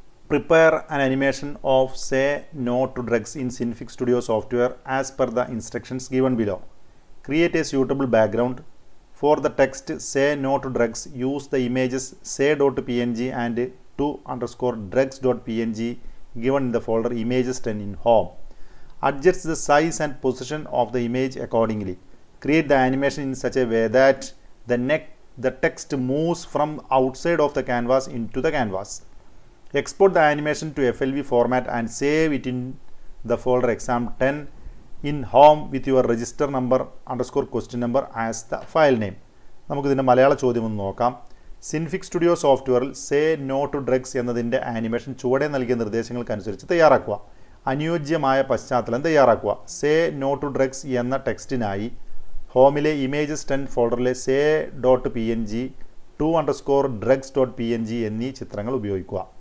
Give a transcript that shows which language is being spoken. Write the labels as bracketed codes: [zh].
[en] Prepare an animation of say no to drugs in Synfig studio software as per the instructions given below. Create a suitable background for the text say no to drugs. Use the images say dot P N G and to underscore drugs dot P N G given in the folder images ten in home. Adjust the size and position of the image accordingly. Create the animation in such a way that the text moves from outside of the canvas into the canvas. Export the animation to FLV format and save it in the folder exam 10 in home with your register number underscore question number as the file name. [ml] നമുക്ക് ഇതിന്റെ മലയാള ചോദ്യം ഒന്ന് നോക്കാം. Synfig studio സോഫ്റ്റ്വെയറിൽ say no to drugs എന്നതിൻ്റെ animation ചുവടെ നൽകിയ നിർദ്ദേശങ്ങൾക്കനുസരിച്ച് തയ്യാറാക്കുക. അനുയോജ്യമായ പശ്ചാത്തലം തയ്യാറാക്കുക. സേ നോ ടു ഡ്രഗ്സ് എന്ന ടെക്സ്റ്റിനായി ഹോമിലെ images 10 ഫോൾഡറിലെ say dot P N G to underscore drugs dot P N G എന്നീ ചിത്രങ്ങൾ ഉപയോഗിക്കുക.